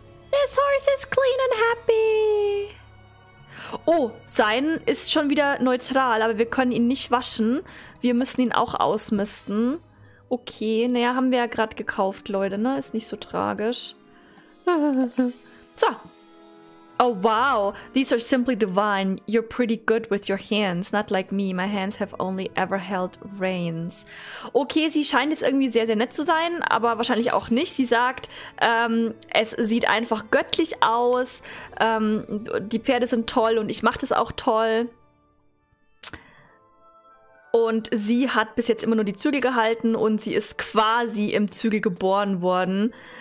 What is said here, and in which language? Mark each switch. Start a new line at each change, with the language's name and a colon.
English: This horse is clean and happy.
German: Oh, sein ist schon wieder neutral, aber wir können ihn nicht waschen. Wir müssen ihn auch ausmisten. Okay, naja, haben wir ja gerade gekauft, Leute, ne? Ist nicht so tragisch. So. Oh, wow.
English: These are simply divine. You're pretty good with your hands. Not like me. My hands have only ever held reins.
German: Okay, sie scheint jetzt irgendwie sehr, sehr nett zu sein, aber wahrscheinlich auch nicht. Sie sagt, es sieht einfach göttlich aus. Die Pferde sind toll und ich mache das auch toll. Und sie hat bis jetzt immer nur die Zügel gehalten und sie ist quasi im Zügel geboren worden.